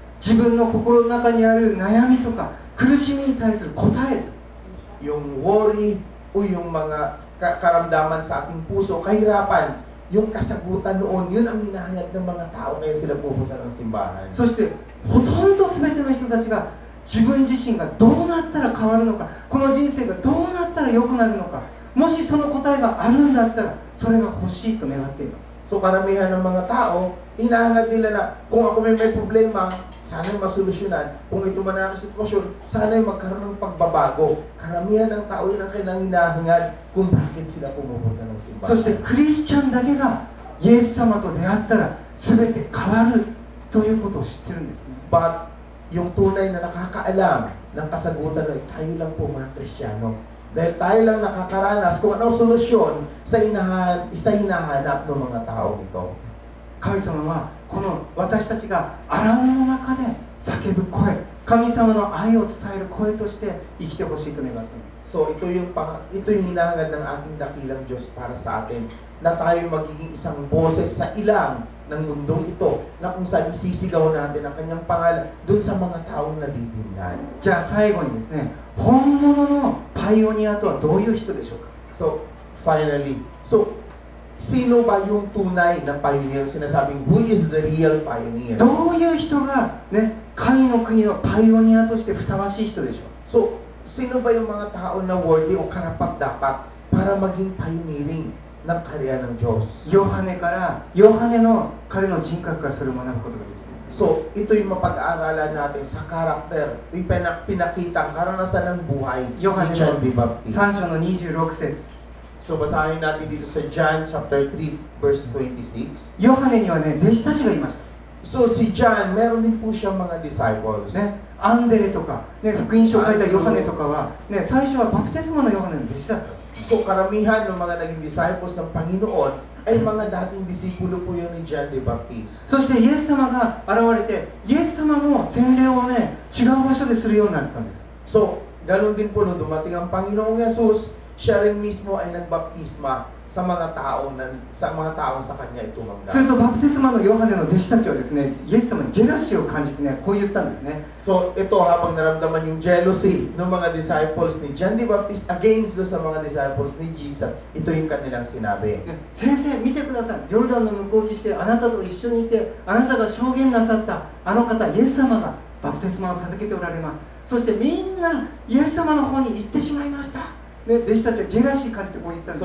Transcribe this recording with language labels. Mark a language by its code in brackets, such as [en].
[ja] 自分の心の中にある悩みとか苦しみに対する答えです。 [tl] Yung worry o yung mga karamdaman sa ating puso, kahirapan, yung kasagutan noon, yun ang hinahangad ng mga tao kaya sila pupunta ng simbahan. [ja] そしてほとんど全ての人たちが自分自身がどうなったら変わるのか、この人生がどうなったら良くなるのか、もしその答えがあるんだったらそれが欲しいと願っています。 [tl] So karamihan ng mga tao, hinahangad nila na kung ako may problema, sana ay masolusyonan. Kung ito man ang sitwasyon, sana ay magkaroon ng pagbabago. Karamihan ng tao yun ang kanilang hinahangad kung bakit sila pumupunta ng simbahan. [ja] So して Christian だけがイエス様と出会ったら全て変わるということを知ってるんですね。 [tl] But yung tunay na nakakaalam ng kasagutan ay tayo lang po mga Kristiyano. Dahil tayo lang nakakaranas kung anong solusyon sa hinahanap ng mga tao ito. [ja] 神様はこの私たちが荒野の中で叫ぶ声、神様の愛を伝える声として生きてほしいと願っています。 [tl] So ito yung hinahangad ng ating dakilang Diyos para sa atin, na tayo magiging isang boses sa ilang ng mundong ito, na kung saan isisigaw natin ang kanyang pangalan dun sa mga taong nadidinggan. [ja] じゃあ最後にですね、本物のパイオニアとはどういう人でしょうか。 [tl] So finally, so sino ba yung tunay na pioneer? [en] Sinasabing who is the real pioneer? [ja] どういう人がね、神の国のパイオニアとしてふさわしい人でしょう。 So [tl] sino ba yung mga tao na worthy o karapat-dapat para maging pioneering ng karya ng Diyos? [ja] Yohane から、Yohane の彼の人格からそれを学ぶことができます。 [tl] So, ito yung mapag-aaralan natin sa karakter, yung pinakita, karanasan ng buhay ni John the Baptist. [ja] 3章の26節。 [tl] So, basahin natin dito sa John chapter 3, verse 26. [ja] Yohane にはね、弟子たちがいました。 [tl] So, si John, meron din po siyang mga disciples. [ja] ね、アンデレとか、ね、福音書を書いたヨハネとかは、ね、最初はバプテスマのヨハネの弟子だった。 [tl] So, karamihan ng mga naging disciples ng Panginoon ay mga dating disipulo po yun ni John the Baptist. [ja] そして、イエス様が現れて、イエス様も洗礼をね、違う場所でするようになったんです。 [tl] So, ganun din po nung dumating ang Panginoong Jesus, siya rin mismo ay nagbaptisma sa mga tao na sa mga tao sa kanya ito manggap. [ja] するとバプテスマのヨハネの弟子たちはですね、イエス様にジェラシーを感じてね、こう言ったんですね。 [tl] So, ito habang naramdaman yung jealousy ng mga disciples ni John the Baptist against sa mga disciples ni Jesus, ito yung kanilang sinabi. [ja] 先生、見てください。ヨルダンの向こう岸であなたと一緒にいて、あなたが証言なさったあの方、イエス様がバプテスマを授けておられます。そしてみんなイエス様の方に行ってしまいました。ね、弟子たちはジェラシー感じてこう言ったんです。